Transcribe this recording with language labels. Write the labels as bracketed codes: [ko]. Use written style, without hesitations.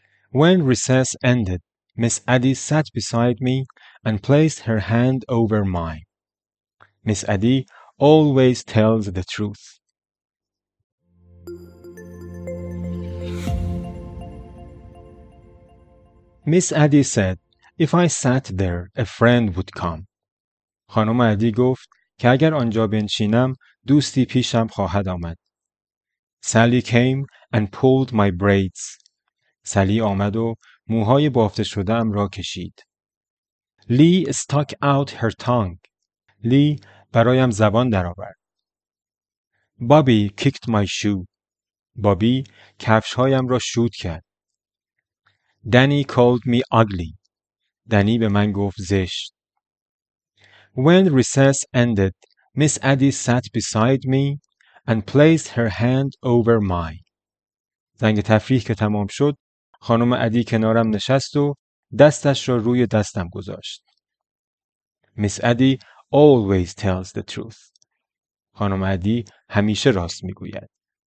[en] When recess ended, Miss Addie sat beside me and placed her hand over mine. Miss Addie always tells the truth. Miss Addie said, if I sat there, a friend would come. [fa] خانم ادی گفت که اگر آنجا بنشینم دوستی پیشم خواهد آمد. [en] Sally came and pulled my braids. [fa] سالی آمد و موهای بافته شده ام را کشید. [en] Lee stuck out her tongue. Lee [fa] برایم زبان درآورد. [en] Bobby kicked my shoe. [fa] بابی کفشهایم را شوت کرد. [en] Danny called me ugly. [fa] دنی به من گفت زشت. [en] When recess ended, Miss Addie sat beside me and placed her hand over mine. [fa] زنگ تفریح که تمام شد، خانم ادی کنارم نشست و دستش را روی دستم گذاشت. [en] Miss Addie always tells the truth. [fa] خانم ادی همیشه راست میگوید.